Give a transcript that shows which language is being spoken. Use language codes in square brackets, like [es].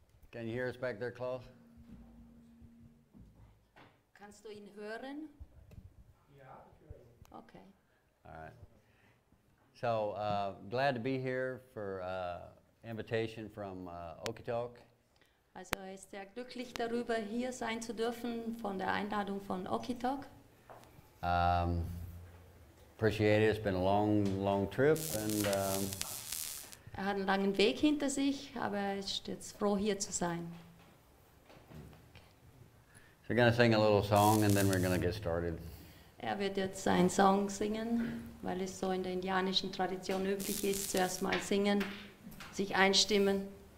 [en] Can you hear us back there, Klaus? [de] Kannst du ihn hören? [en] Okay. All right. So, glad to be here for invitation from Okidok. [de] Also, er ist sehr glücklich darüber, hier sein zu dürfen von der Einladung von Okidok. [en] Appreciate it. It's been a long, long trip. And, [de] er hat einen langen Weg hinter sich, aber er ist jetzt froh, hier zu sein. [en] So, we're going to sing a little song and then we're going to get started. [de] Er wird jetzt einen Song singen, weil es so in der indianischen Tradition üblich ist, zuerst mal singen, sich einstimmen.